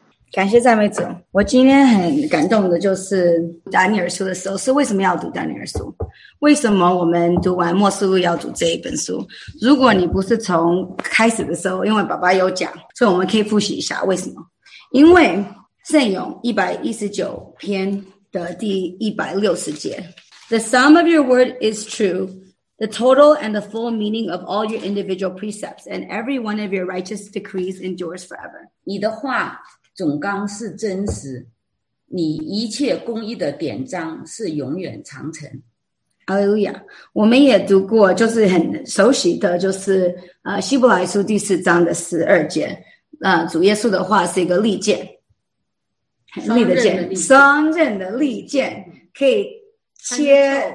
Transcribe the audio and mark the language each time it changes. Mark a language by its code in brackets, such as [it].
[zh] 感谢赞美主。我今天很感动的就是读丹尼尔书的时候，是为什么要读丹尼尔书？为什么我们读完末世录要读这一本书？如果你不是从开始的时候，因为爸爸有讲，所以我们可以复习一下为什么。因为圣咏119篇的第160节， [en] The sum of your word is true, the total and the full meaning of all your individual precepts and every one of your righteous decrees endures forever. [zh] 你的话总纲是真实，你一切公义的典章是永远长存。 [en] Hallelujah. [zh] 我们也读过就是很熟悉的就是希伯来书第四章的十二节，主耶稣的话是一个利剑，双刃的利剑，可以切